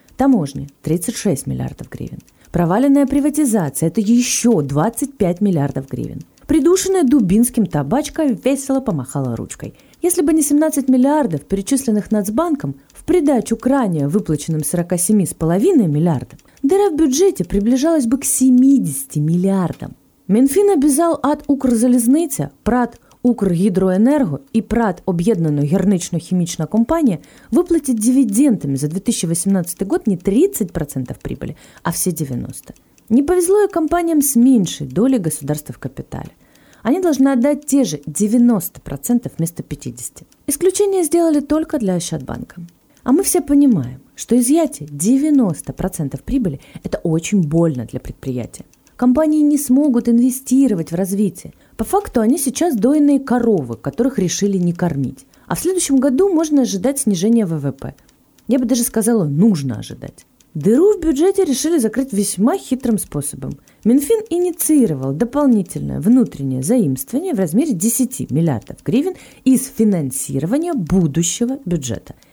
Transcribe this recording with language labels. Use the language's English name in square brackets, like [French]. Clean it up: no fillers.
[Russian] Таможни – 36 миллиардов гривен. Проваленная приватизация – это еще 25 миллиардов гривен. Придушенная Дубинским табачка весело помахала ручкой. Если бы не 17 миллиардов, перечисленных Нацбанком, в придачу к ранее выплаченным 47,5 миллиардам, дыра в бюджете приближалась бы к 70 миллиардам. [Ukrainian] Мінфін обіцяв ад «Укрзалізниця», ПРАТ «Укргідроенерго» і ПРАТ «Об'єднана гірнично-хімічна компанія» виплатити дивідендами за 2018 год не 30% прибылі, а всі 90%. Не повезло і компаніям з меншій долі государства в капіталі. Вони повинні віддати ті ж 90% [Russian] вместо 50%. [Ukrainian] Исключення зробили тільки для Ощадбанка. А ми всі розуміємо, що изъятие 90% прибылі – це дуже больно для предприятия. [Russian] Компании не смогут инвестировать в развитие. По факту они сейчас дойные коровы, которых решили не кормить. А в следующем году можно ожидать снижения ВВП. Я бы даже сказала, нужно ожидать. Дыру в бюджете решили закрыть весьма хитрым способом. Минфин инициировал дополнительное внутреннее заимствование в размере 10 миллиардов гривен из финансирования будущего бюджета.